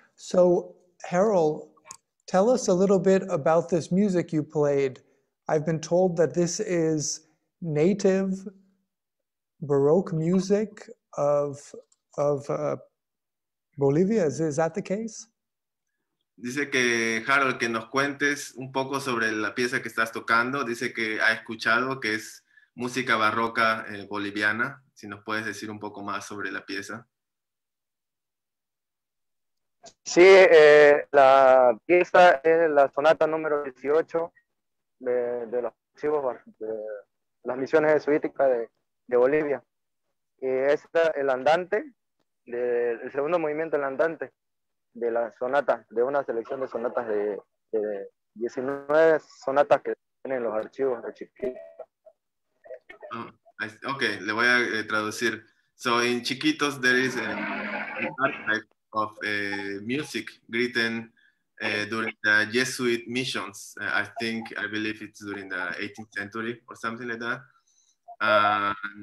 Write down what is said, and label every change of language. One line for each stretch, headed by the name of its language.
English: So Harold, tell us a little bit about this music you played. I've been told that this is native Baroque music of Bolivia. Is that the case?
Spanish: Dice que Harold, que nos cuentes un poco sobre la pieza que estás tocando. Dice que ha escuchado que es música barroca boliviana. Si nos puedes decir un poco más sobre la pieza. Sí, la pieza es la sonata número 18 de los archivos de las misiones jesuíticas de Bolivia. Y es el andante, el segundo movimiento, el andante de la sonata, de una selección de sonatas de 19 sonatas que tienen los archivos de Chiquitos. Ok, le voy a traducir.
English: So, in Chiquitos, there is of music written during the Jesuit missions. I believe it's during the 18th century or something like that.